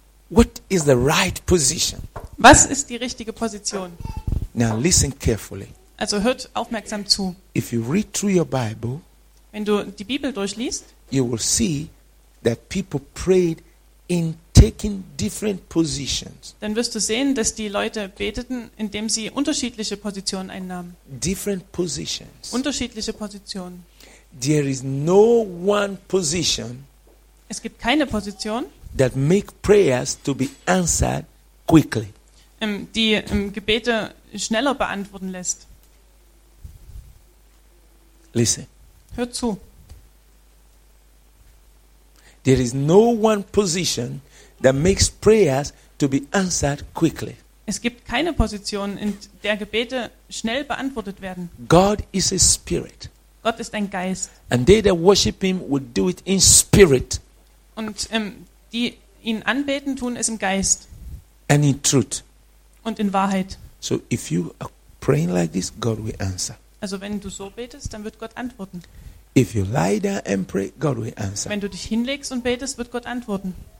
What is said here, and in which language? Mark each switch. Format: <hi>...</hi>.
<en>What is the right position?</en> <de>Was ist die richtige Position?</de> <en>Now listen carefully.</en> <de>Also hört aufmerksam zu.</de> <en>If you read through your Bible,</en> <de>wenn du die Bibel durchliest,</de> <en>you will see that people prayed in taking different positions.</en> <de>Dann wirst du sehen, dass die Leute beteten, indem sie unterschiedliche Positionen einnahmen.</de> <en>Different positions.</en> <de>Unterschiedliche Positionen.</de> <en>There is no one position.</en> <de>Es gibt keine Position.</de> <en>That make prayers to be answered quickly.</en> <de>Die Gebete schneller beantworten lässt.</de> <en>Listen.</en> <de>Hör zu.</de> <en>There is no one position that makes prayers to be answered quickly.</en> <de>Es gibt keine Position, in der Gebete schnell beantwortet werden.</de> <en>God is a spirit.</en> <de>Gott ist ein Geist.</de> <en>And they that worship him will do it in spirit.</en> <de>Und die ihn anbeten, tun es im Geist.</de> <en>And in truth.</en> <de>Und in Wahrheit.</de> <en>So if you are praying like this, God will answer.</en> <de>Also wenn du so betest, dann wird Gott antworten.</de> <en>If you lie down and pray, God will answer.</en> <de>Wenn du dich hinlegst und betest, wird Gott antworten.</de>